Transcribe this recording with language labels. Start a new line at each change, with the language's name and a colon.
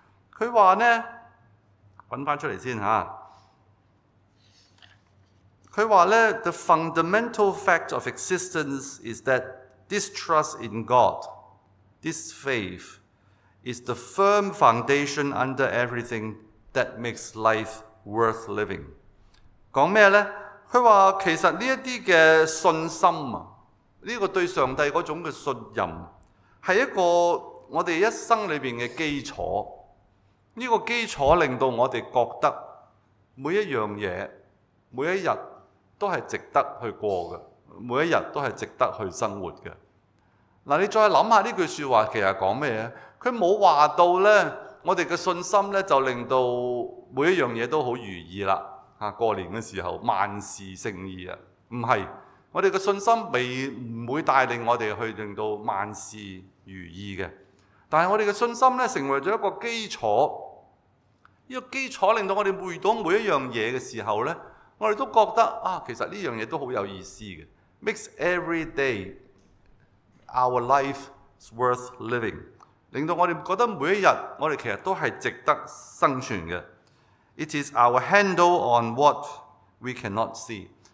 Cantonese: 他說呢，找出來先，他說呢，
English: The fundamental fact of existence is that this trust in God, this faith, is the firm foundation under everythingThat makes life worth living.
Cantonese: 講咩咧？佢話其實呢一啲嘅信心啊，呢個對上帝嗰種嘅信任，係一個我哋一生裏邊嘅基礎。呢個基礎令到我哋覺得每一樣嘢、每一日都係值得去過嘅，每一日都係值得去生活嘅。嗱，你再諗下呢句説話，其實講咩啊？佢冇話到咧。我哋嘅信心咧，就令到每一樣嘢都好如意啦。嚇，過年嘅時候萬事勝意啊，唔係我哋嘅信心唔會帶領我哋去令到萬事如意嘅。但係我哋嘅信心咧，成為咗一個基礎。呢個基礎令到我哋遇到每一樣嘢嘅時候咧，我哋都覺得啊，其實呢樣嘢都好有意思嘅。
English: Makes every day our life worth living.
Cantonese: 令到我哋覺得每一日，我哋其實都係值得生存嘅。
English: It is our handle on what we cannot see。